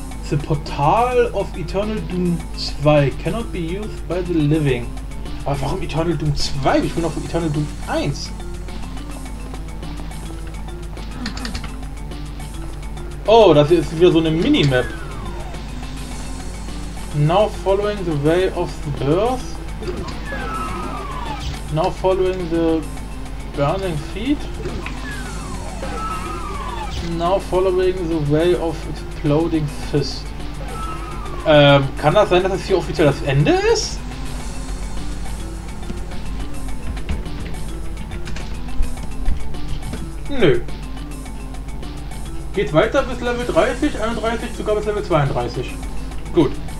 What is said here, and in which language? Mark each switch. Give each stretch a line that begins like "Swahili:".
English: The Portal of Eternal Doom 2 cannot be used by the living.
German: Aber warum Eternal Doom 2? Ich bin noch von Eternal Doom 1. Oh, das ist wieder so eine Minimap.
English: Now following the way of the birth. Now following the burning feet. Now following the way of exploding fist.
German: Kann das sein, dass das hier offiziell das Ende ist? Nö. Geht weiter bis Level 30, 31, sogar bis Level 32. Gut.